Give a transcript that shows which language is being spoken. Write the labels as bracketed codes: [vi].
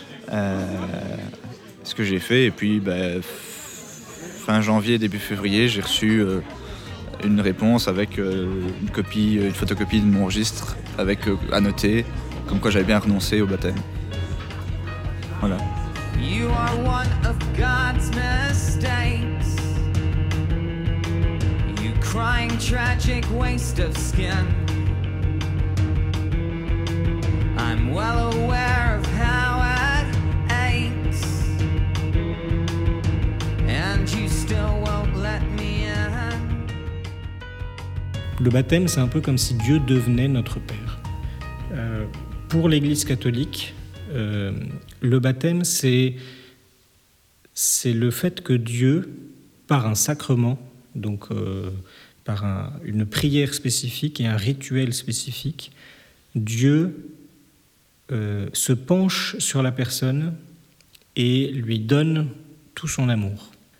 [fr] Ce que j'ai fait. Et puis, fin janvier, début février, j'ai reçu une réponse avec une photocopie de mon registre avec annoté comme quoi j'avais bien renoncé au baptême. Voilà. [en] You are one of God's mistakes. You crying tragic waste of skin. I'm well aware of how it aches. And you still won't let me in. [fr] Le baptême, c'est un peu comme si Dieu devenait notre Père. Pour l'Église catholique, le baptême, c'est le fait que Dieu, par un sacrement, donc par une prière spécifique et un rituel spécifique, Dieu se penche sur la personne et lui donne tout son amour.